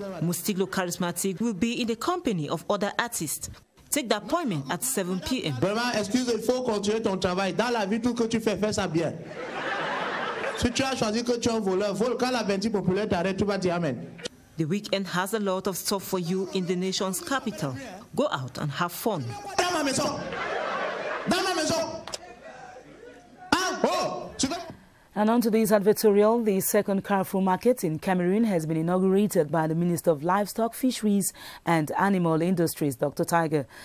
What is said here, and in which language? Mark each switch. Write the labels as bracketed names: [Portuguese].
[English] Moustiglo Charismatic will be in the company of other artists. Take the appointment at 7 p.m. [French] Vraiment, excuse, il faut continuer ton travail. Dans la vie, tout que tu fais, fais ça bien. Si tu as choisi que tu es un voleur, vole quand la bandit populaire t'arrête, tu vas dire amen. [English] The weekend has a lot of stuff for you in the nation's capital. Go out and have fun. [French] Dans ma maison. Dans ma maison. [English] And on to this advertorial, the second Carrefour market in Cameroon has been inaugurated by the Minister of Livestock, Fisheries and Animal Industries, Dr. Tiger.